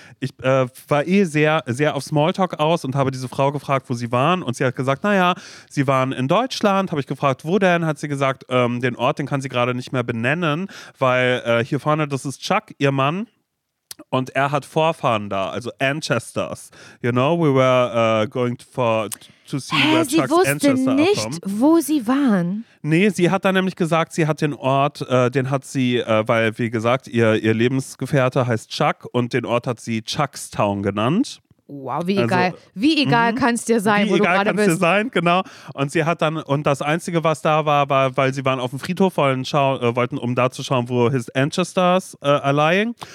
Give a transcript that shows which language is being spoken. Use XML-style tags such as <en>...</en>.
<de>Ich war eh sehr, sehr auf Smalltalk aus und habe diese Frau gefragt, wo sie waren. Und sie hat gesagt, naja, sie waren in Deutschland. Habe ich gefragt, wo denn? Hat sie gesagt, den Ort, den kann sie gerade nicht mehr benennen, weil hier vorne, das ist Chuck, ihr Mann. Und er hat Vorfahren da, also Ancestors.</de> <en>You know, we were going to see where Chuck's Ancestors are from.</en> <de>Sie wusste nicht, wo sie waren. Nee, sie hat dann nämlich gesagt, sie hat den Ort, weil wie gesagt, ihr Lebensgefährte heißt Chuck und den Ort hat sie Chuckstown genannt. Wow, wie egal. Also, wie egal kann es dir sein, wo du gerade bist. Wie egal kann es dir sein, genau. Und sie hat dann, und das Einzige, was da war, war, weil sie waren auf dem Friedhof, wollten, um da zu schauen, wo</de> <en>his ancestors are lying.</en>